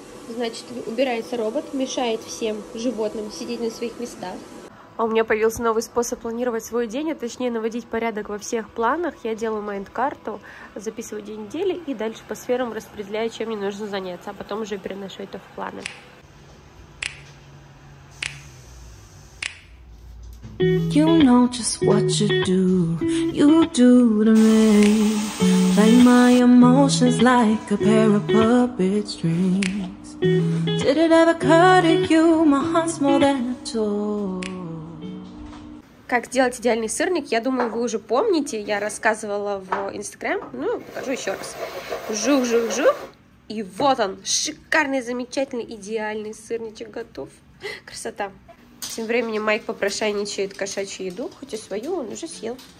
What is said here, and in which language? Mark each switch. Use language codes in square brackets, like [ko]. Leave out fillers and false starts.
[ru] Значит, убирается робот, мешает всем животным сидеть на своих местах. А у меня появился новый способ планировать свой день, а точнее наводить порядок во всех планах. Я делаю майнд-карту, записываю день недели и дальше по сферам распределяю, чем мне нужно заняться, а потом уже переношу это в планы. [en] You know just what you do to me. Play my emotions like a pair of puppet strings. Did it ever occur to you, my heart's more than a toy. [ru] Как сделать идеальный сырник, я думаю, вы уже помните. Я рассказывала в Instagram. Ну, покажу еще раз. Жух-жух-жух. И вот он, шикарный, замечательный, идеальный сырничек готов. Красота. Тем временем Майк попрошайничает кошачью еду, хоть и свою он уже съел.